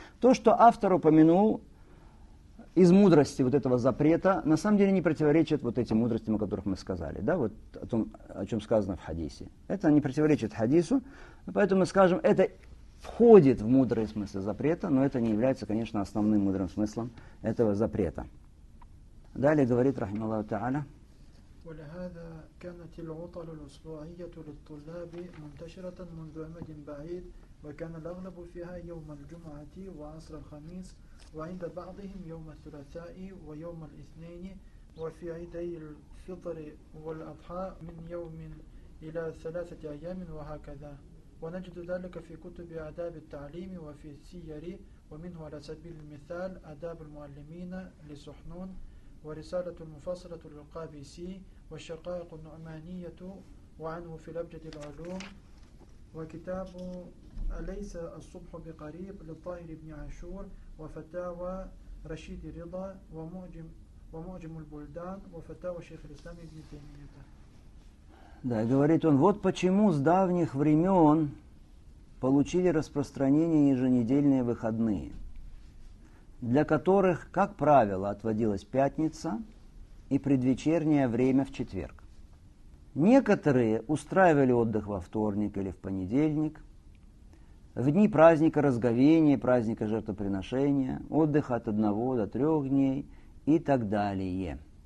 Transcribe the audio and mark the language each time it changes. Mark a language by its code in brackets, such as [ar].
[ru] То, что автор упомянул из мудрости вот этого запрета, на самом деле не противоречит вот этим мудростям, о которых мы сказали. Да, вот о том, о чем сказано в хадисе. Это не противоречит хадису, поэтому мы скажем, это входит в мудрый смысл запрета, но это не является, конечно, основным мудрым смыслом этого запрета. Далее говорит рахмаллаху тааля. [ar] ولهذا كانت العطل الأسبوعية للطلاب منتشرة منذ أمد بعيد وكان الأغلب فيها يوم الجمعة وعصر الخميس وعند بعضهم يوم الثلاثاء ويوم الاثنين وفي عيدي الفطر والأضحى من يوم إلى ثلاثة أيام وهكذا ونجد ذلك في كتب آداب التعليم وفي السير ومنه على سبيل المثال آداب المعلمين لسحنون ورسالة المفصلة للقابسي والشقائق النعمانية وعنه في لبجد العلوم وكتاب أليس الصبح بقريب للطاهر بن عاشور وفتاوى رشيد رضا ومعجم البلدان وفتاوى شيخ الإسلام ابن تيمية. [ru] Да, говорит он, вот почему с давних времен получили распространение еженедельные выходные, для которых, как правило, отводилась пятница и предвечернее время в четверг. Некоторые устраивали отдых во вторник или в понедельник, в дни праздника Разговения, праздника жертвоприношения, отдых от одного до трех дней и так далее.